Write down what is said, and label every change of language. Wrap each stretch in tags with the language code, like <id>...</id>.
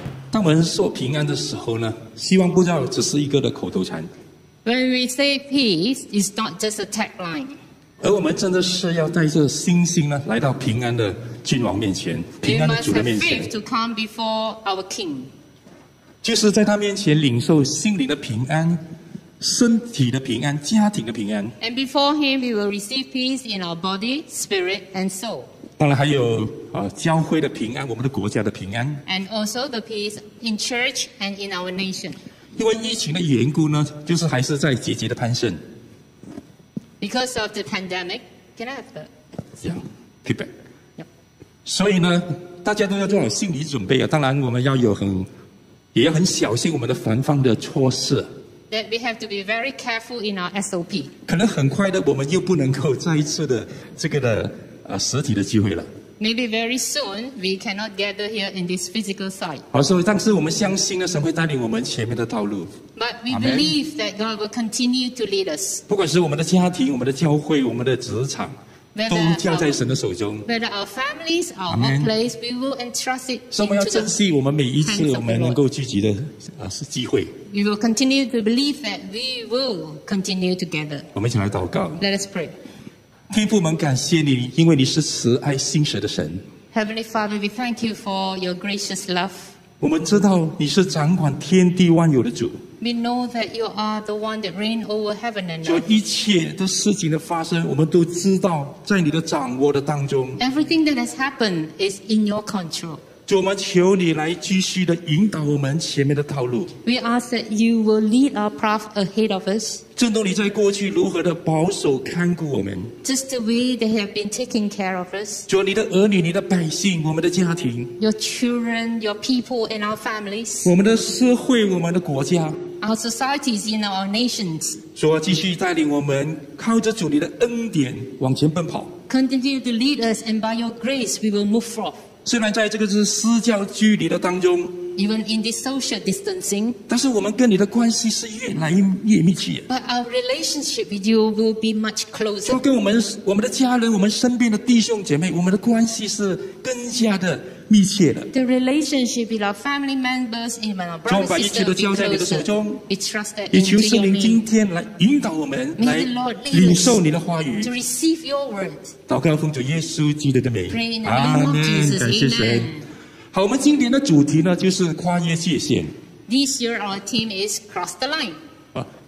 <zh>当我们说平安的时候呢，希望不要只是一个的口头禅。</zh> <en>When we say peace, it's not just a tagline.</en> <zh>而我们真的是要带着信心呢，来到平安的君王面前，平安的主的面前。</zh> <en>We must have faith to come before our King.</en> <zh>就是在他面前领受心灵的平安、身体的平安、家庭的平安。</zh> <en>And before Him, we will receive peace in our body, spirit, and soul.</en> <zh>当然还有教会的平安，我们的国家的平安。</zh> <en>And also the peace in church and in our nation.</en> <zh>因为疫情的缘故呢，就是还是在节节的攀升。</zh> <en>Because of the pandemic, can I have the? Yeah, feedback. Yep.</en> <zh>所以呢，大家都要做好心理准备啊。当然，我们要有也要很小心我们的防范的措施。</zh> <en>That we have to be very careful in our SOP.</en> <zh>可能很快的，我们又不能够再一次的这个的。实体的机会了。</zh> <en>Maybe very soon we cannot gather here in this physical site.</en> <zh>好，所以但是我们相信呢，神会带领我们前面的道路。</zh> <en>But we believe that God will continue to lead us.</en> <zh>不管是我们的家庭、我们的教会、我们的职场，都交在神的手中。</zh> <en>Whether our families or our place, we will entrust it.</en> <zh>所以我们要珍惜我们每一次我们能够聚集的是机会。</zh> <en>We will continue to believe that we will continue together.</en> <zh>我们一起来祷告。</zh> <en>Let us pray.</en> <zh>天父们，感谢你，因为你是慈爱心神的神。</zh> <en>Heavenly Father, we thank you for your gracious love.</en> <zh>我们知道你是掌管天地万有的主。</zh> <en>We know that you are the one that reigns over heaven and earth.</en> <zh>就一切的事情的发生，我们都知道，在你的掌握的当中。</zh> <en>Everything that has happened is in your control.</en> <zh>主，我们求你来继续的引导我们前面的道路。</zh> <en>We ask that you will lead our path ahead of us.</en> <zh>正如你在过去如何的保守看顾我们。</zh> <en>Just the way they have been taking care of us.</en> <zh>主，你的儿女、你的百姓、我们的家庭。</zh> <en>Your children, your people, and our families.</en> <zh>我们的社会、我们的国家。</zh> <en>Our societies, in our nations.</en> <zh>主，继续带领我们靠着主你的恩典往前奔跑。</zh> <en>Continue to lead us, and by your grace, we will move forth.</en> <zh>虽然在这个是私教距离的当中。</zh> <en>Even in this social distancing,</en> <zh>但是我们跟你的关系是越来越密切。</zh> <en>But our relationship with you will be much closer.</en> <zh>跟我们的家人、我们身边的弟兄姐妹，我们的关系是更加的密切的。</zh> <en>The relationship with our family members, even our brothers and sisters,</en> <zh>把一切都交在你的手中。</zh> <en>We trust that.</en> <zh>也求圣灵今天来引导我们，来领受你的话语。</zh> <en>To receive your word.</en> <zh>祷告奉主耶稣基督的名。阿门。感谢神。好，我们今年的主题呢，就是跨越界限。</zh> <en>This year our theme is cross the line。</en>